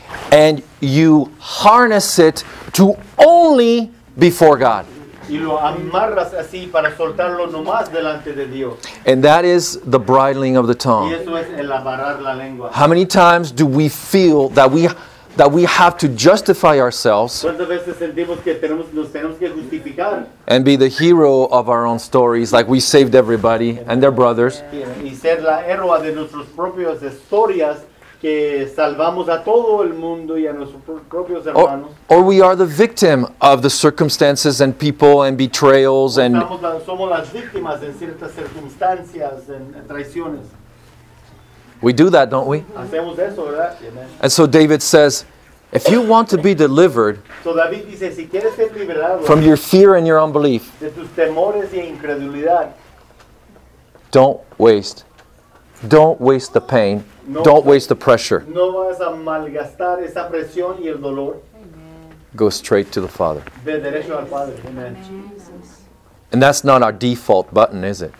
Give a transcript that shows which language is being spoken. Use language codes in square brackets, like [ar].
[en] And you harness it to only before God. [es] Y lo amarras así para soltarlo nomás delante de Dios. [en] And that is the bridling of the tongue. [es] Y eso es el amarrar la lengua. [en] How many times do we feel that we have to justify ourselves and be the hero of our own stories, like we saved everybody and their brothers? [es] Y ser la héroe de nuestras propias historias, que salvamos a todo el mundo y a nuestros propios hermanos. [en] Or we are the victim of the circumstances and people and betrayals and... [es] somos las víctimas en ciertas circunstancias y traiciones. [en] We do that, don't we? [es] Hacemos eso, ¿verdad? [en] And so David says, if you want to be delivered so [es] David dice, si quieres ser liberado, [en] from your fear and your unbelief, [es] de tus temores y incredulidad, [en] don't waste the pain, [es] no, [en] don't waste the pressure. [es] No vas a malgastar esa presión y el dolor. [en] Amen. Go straight to the Father. [es] De derecho al Padre. Amen. [en] Amen. And that's not our default button, is it?